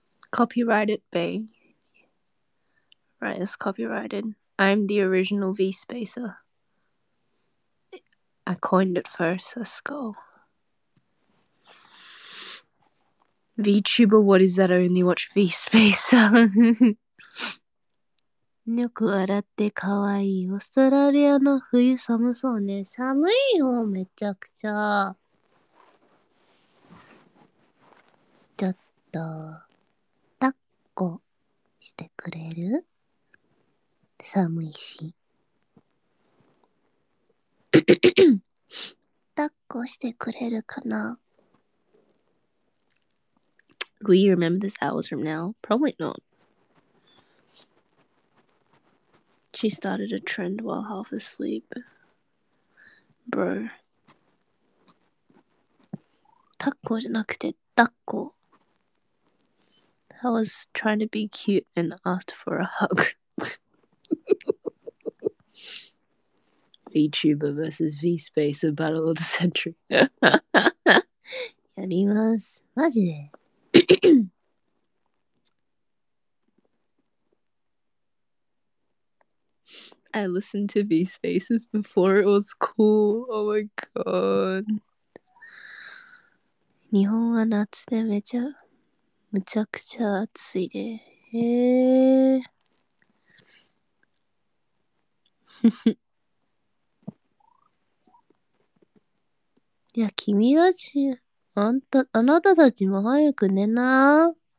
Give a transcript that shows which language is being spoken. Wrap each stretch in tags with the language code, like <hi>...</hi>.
<en>Copyrighted, bae. Right, it's copyrighted. I'm the original V-Spacer. I coined it first, let's go. VTuber, what is that? I only watch V-Spacer.</en> <ja>よく笑って可愛いオーストラリアの冬寒そうね。寒いよ、めちゃくちゃ。ちょっと。してくれる？寒いし。抱っこしてくれるかな？</ja> <en>Will you remember this hours from now? Probably not. She started a trend while half asleep. Bro.</en> <ja>抱っこじゃなくて抱っこ。</ja> <en>I was trying to be cute and asked for a hug. VTuber versus VSpacer Battle of the Century.</en> <ja>やります。マジで。</ja> <en>I listened to VSpacers before it was cool. Oh my god.</en> <ja>日本は夏でめちゃ…むちゃくちゃ暑いで、へえ。いや、君たち、あなたたちも早く寝な。</ja>